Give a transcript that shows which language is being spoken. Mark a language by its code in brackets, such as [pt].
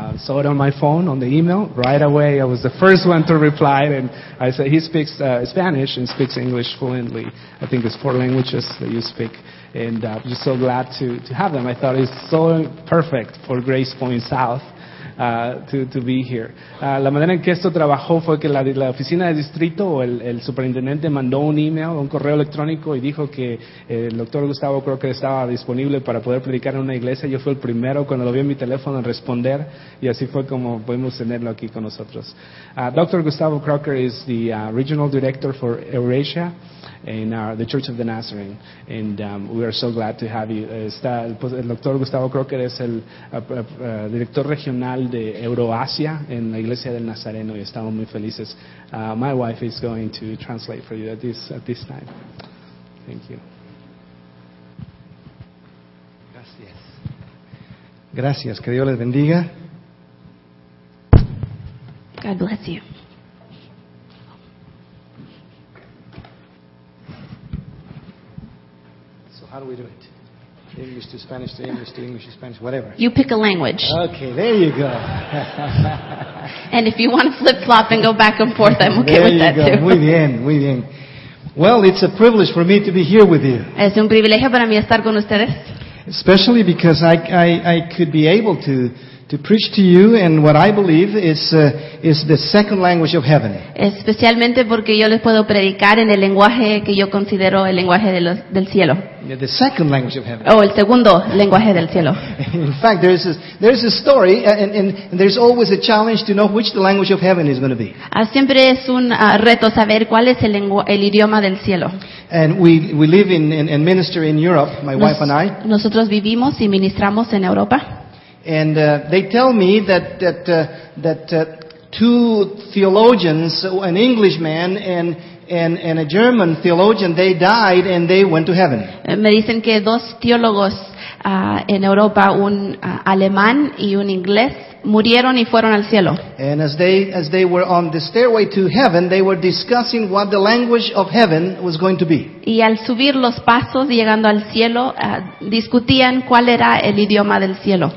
[en] Saw it on my phone, on the email, right away. I was the first one to reply, and I said, he speaks Spanish and speaks English fluently. I think it's four languages that you speak. And I'm just so glad to have them. I thought it's so perfect for Grace Point South. To be here. [es] La manera en que esto trabajó fue que la oficina de distrito o el superintendente mandó un email, un correo electrónico y dijo que el doctor Gustavo Crocker estaba disponible para poder predicar en una iglesia. Yo fui el primero cuando lo vi en mi teléfono a responder y así fue como pudimos tenerlo aquí con nosotros. [en] Dr. Gustavo Crocker is the regional director for Eurasia in the Church of the Nazarene, and we are so glad to have you. [es] El doctor Gustavo Crocker es el director regional de Euroasia en la Iglesia del Nazareno, y estamos muy felices. [en] My wife is going to translate for you at this time. Thank you. [es] Gracias. Gracias. Que Dios les bendiga. [en] God bless you. How do we do it? English to Spanish to English to Spanish, whatever. You pick a language. Okay, there you go. And if you want to flip-flop and go back and forth, I'm okay there with that go. Too. [es] Muy bien, muy bien. [en] Well, it's a privilege for me to be here with you. [es] Es un privilegio para mí estar con ustedes. [en] Especially because I could be able to preach to you, and what I believe is the second language of heaven. [es] Especialmente porque yo les puedo predicar en el lenguaje que yo considero el lenguaje del cielo. [en] The second language of heaven. [es] Oh, el segundo lenguaje del cielo. [en] In fact, there is a story, and there's always a challenge to know which the language of heaven is going to be. [es] Siempre es un reto saber cuál es el idioma del cielo. [en] And we live in minister in Europe, wife and I. [es] Nosotros vivimos y ministramos en Europa. [en] And they tell me that two theologians, an Englishman and a German theologian, they died and they went to heaven. [es] Me dicen que dos teólogos en Europa, un alemán y un inglés, murieron y fueron al cielo. [en] And as they were on the stairway to heaven, they were discussing what the language of heaven was going to be. [es] Y al subir los pasos llegando al cielo, discutían cuál era el idioma del cielo.